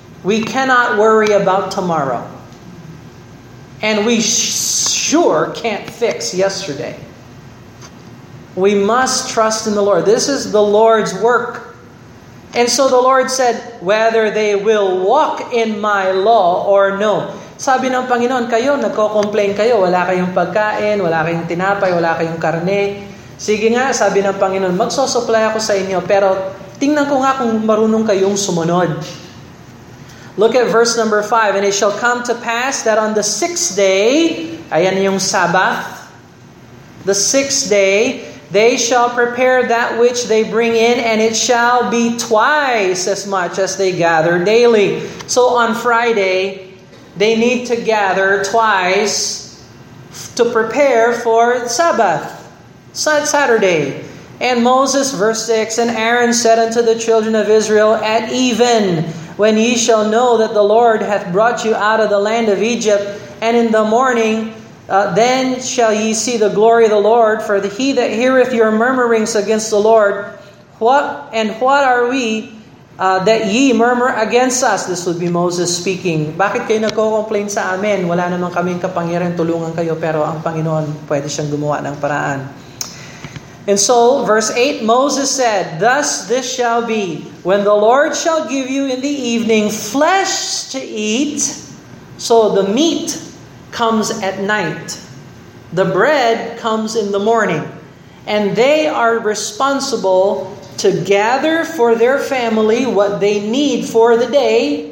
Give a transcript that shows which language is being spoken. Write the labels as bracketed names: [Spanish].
[English] We cannot worry about tomorrow. And we sure can't fix yesterday. We must trust in the Lord. This is the Lord's work. And so the Lord said, whether they will walk in my law or no. [Filipino] Sabi ng Panginoon, kayo, nagko-complain kayo. Wala kayong pagkain, wala kayong tinapay, wala kayong karne. Sige nga, sabi ng Panginoon, magsosupply ako sa inyo, pero tingnan ko nga kung marunong kayong sumunod. [English] Look at verse number 5, And it shall come to pass that on the sixth day, [Filipino] ayan yung [English] Sabbath, the sixth day, they shall prepare that which they bring in, and it shall be twice as much as they gather daily. So on Friday, they need to gather twice to prepare for Sabbath. Saturday. And Moses, verse 6, And Aaron said unto the children of Israel, At even, when ye shall know that the Lord hath brought you out of the land of Egypt, and in the morning Then shall ye see the glory of the Lord, for he that heareth your murmurings against the Lord, what are we that ye murmur against us? This would be Moses speaking. [Filipino] Bakit kayo nagko-complain sa amin? Wala naman kaming kapangyarihan, tulungan kayo, pero ang Panginoon pwede siyang gumawa ng paraan. [English] And so, verse 8, Moses said, thus this shall be, when the Lord shall give you in the evening flesh to eat, so the meat comes at night, the bread comes in the morning, and they are responsible to gather for their family what they need for the day.